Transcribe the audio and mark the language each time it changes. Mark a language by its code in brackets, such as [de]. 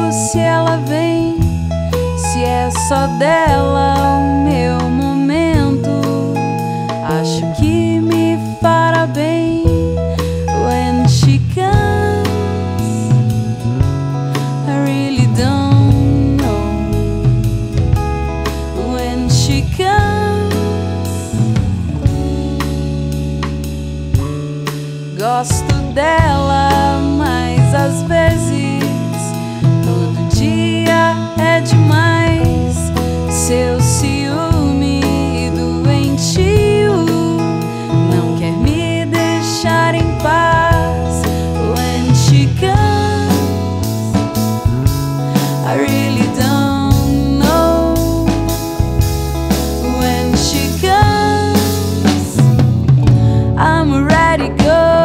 [pt] se ela vem, se é só dela o meu momento. Acho que me fará bem. [en] When she comes, I really don't know. When she comes, [pt] gosto dela, mas às vezes todo dia é demais. Seu ciúme doentio não quer me deixar em paz. [en] When she comes, I really don't know. When she comes, I'm ready to go.